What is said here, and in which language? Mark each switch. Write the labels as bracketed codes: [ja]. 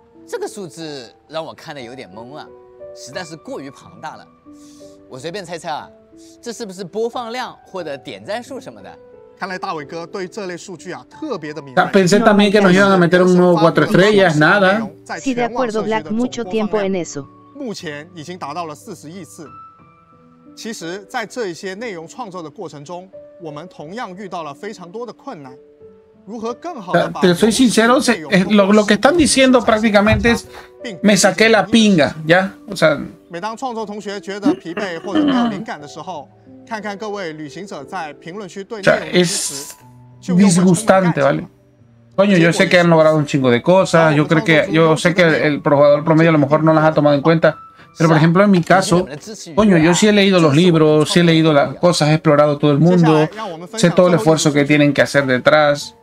[zh] 这个数字让我看得有点懵啊，实在是过于庞大了。我随便猜猜啊，这是不是播放量或者点赞数什么的？看来大伟哥对这类数据啊特别的敏感。 [es] Pensé también que nos iban a meter un nuevo cuatro estrellas, nada. Sí, de acuerdo, Black, mucho tiempo en eso. [zh] 目前已经达到了40亿次。其实，在这一些内容创作的过程中，我们同样遇到了非常多的困难。 [es] Te soy sincero, lo que están diciendo prácticamente es me saqué la pinga, ¿ya? O sea, [zh] 每当创作同学觉得疲惫或者没有灵感的时候，看看各位旅行者在评论区对内容的支持， [es] es disgustante, ¿vale? Coño, yo sé que han logrado un chingo de cosas, yo sé que el jugador promedio a lo mejor no las ha tomado en cuenta, pero por ejemplo en mi caso, coño, yo sí he leído los libros, sí he leído las cosas, he explorado todo el mundo, sé todo el esfuerzo que tienen que hacer detrás.